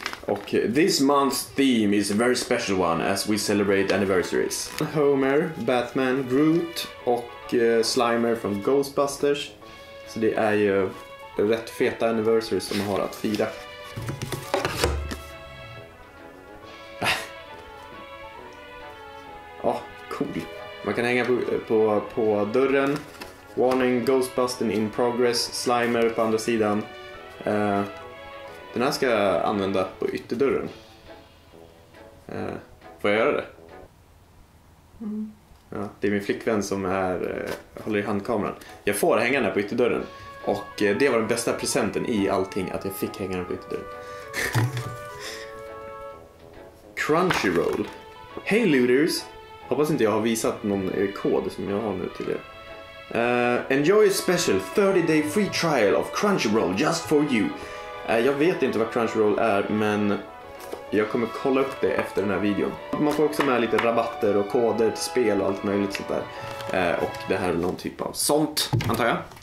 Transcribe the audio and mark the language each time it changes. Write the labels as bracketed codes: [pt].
[en] Och this month's theme is a very special one as we celebrate anniversaries. [sv] Homer, Batman, Groot och Slimer från Ghostbusters. Så det är ju rätt feta anniversaries som man har att fira. Cool. Man kan hänga på dörren [en] Warning, Ghostbusting in progress, [sv] Slimer på andra sidan. Den här ska jag använda på ytterdörren. Får jag göra det? Mm. Ja, det är min flickvän som är, håller i handkameran. Jag får hänga den här på ytterdörren. Och det var den bästa presenten i allting, att jag fick hänga den på ytterdörren. Crunchyroll. [en] Hey looters! [sv] Hoppas inte jag har visat någon kod som jag har nu till er. [en] Enjoy a special 30-day free trial of Crunchyroll just for you. [sv] Jag vet inte vad Crunchyroll är, men jag kommer kolla upp det efter den här videon. Man får också med lite rabatter och koder till spel och allt möjligt sånt där. Och det här är någon typ av sånt, antar jag.